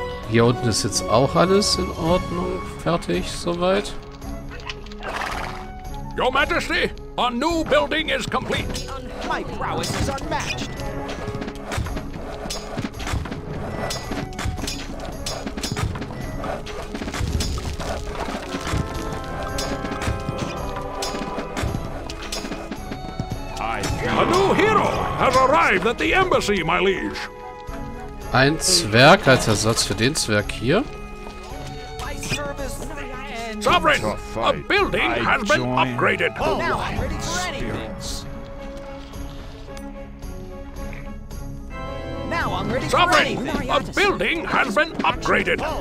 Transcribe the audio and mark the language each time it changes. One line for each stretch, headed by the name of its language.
German: Hier unten ist jetzt auch alles in Ordnung, fertig, soweit.
English: Your Majesty, a new building is complete. My prowess is unmatched. A new hero has arrived at the embassy, my liege.
German: Ein Zwerg als Ersatz für den Zwerg hier.
English: Sovereign, a building has been upgraded. Now I'm ready. Sovereign, a building has been upgraded.